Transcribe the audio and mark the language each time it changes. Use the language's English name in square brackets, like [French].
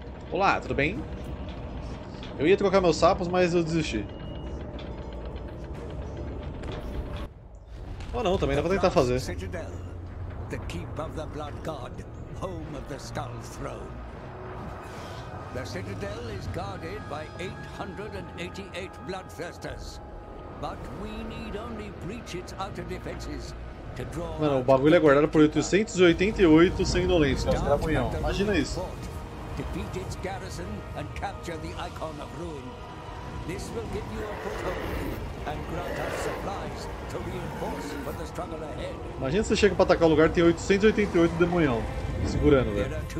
[Portuguese] Olá, tudo bem? Eu ia trocar meus sapos, mas eu desisti. Ou não, também dá pra tentar fazer. [English] The Keep of the Blood God, home of the Skull Throne. The Citadel is guarded by 888 bloodthirsters, but we need only breach its outer defenses to draw. [Portuguese] Mano, o bagulho é guardado por 888 sanguinolentes, cara. Caramunhão. Imagina isso. [English] Defeat its garrison and capture the Icon of Ruin. This will give you a foothold and grant us supplies to reinforce for the struggle ahead. [Portuguese] Imagina você chega para atacar o lugar e tem 888 demonhão segurando, velho.